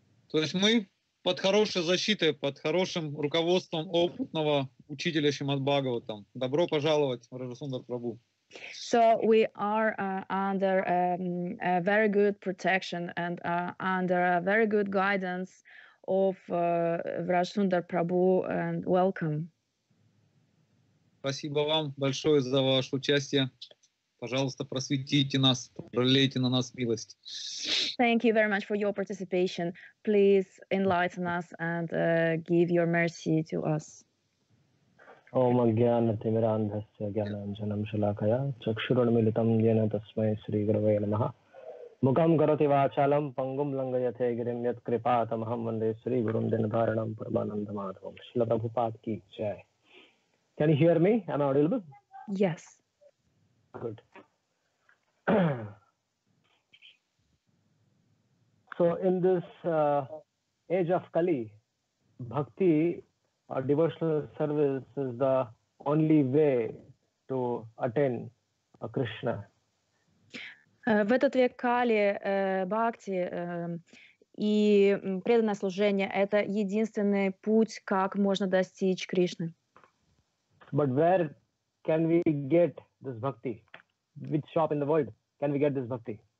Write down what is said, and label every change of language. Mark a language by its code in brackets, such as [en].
[ru] То есть мы под хорошей защитой, под хорошим руководством опытного учителя Шримад Бхагаватам. Добро пожаловать, Брадасундара Прабху. [en] So we are under a very good protection and under a very good guidance of Brajasundara Prabhu, and welcome. [ru] Спасибо вам большое за ваше участие. Пожалуйста, просветите нас, пролейте на нас милость. [en] Thank you very much for your participation. Please enlighten us and give your mercy to us. [sa] Om Agyanati Mirandhasya Gyananjanam Shalakaya Chakshurun Militam Yena Tasmai Sri Gravaya Namaha Mukam Karoti Vachalam Pangum Langayate Girim Yat Kripatam Hamande Sri Gurum Dinabharanam Parmananda Madhavam Shila Prabhupada Ki Jai. [en] Can you hear me? Am I audible? Yes. Good. So in this age of Kali, bhakti or devotional service is the only way to attain a Krishna. [ru] В этот век Кали, бхакти и преданное служение — это единственный путь, как можно достичь Кришны. [en] But where can we get this bhakti? Which shop in the world can we get this bhakti?